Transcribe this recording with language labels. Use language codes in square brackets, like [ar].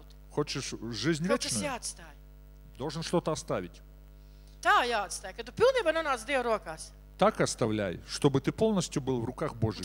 [ru] Хочешь жизнь вечную, должен что-то оставить. [lv] Tā jāatstāj, kad tu pilnībā nonāc Dieva rokās. [ru] Так оставляй, чтобы ты полностью был в руках Божьих.